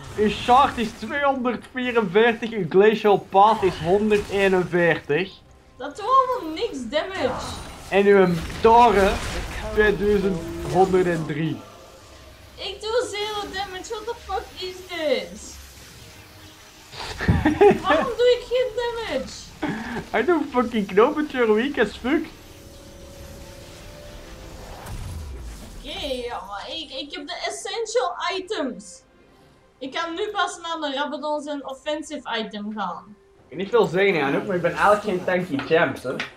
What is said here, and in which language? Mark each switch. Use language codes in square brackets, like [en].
[nl] Uw shard is 244, uw glacial path is 141. Dat doet allemaal niks damage! En uw toren... 2103. Ik doe 0 damage, [en] what the fuck is this? [nl] Waarom doe ik geen damage? [en] I don't fucking know, but you're weak as fuck. [nl] Oké, maar ik heb de essential items. Ik kan nu pas naar de Rabadon zijn offensive item gaan. Ik heb niet veel zin aan, maar ik ben eigenlijk geen tanky champ, hè.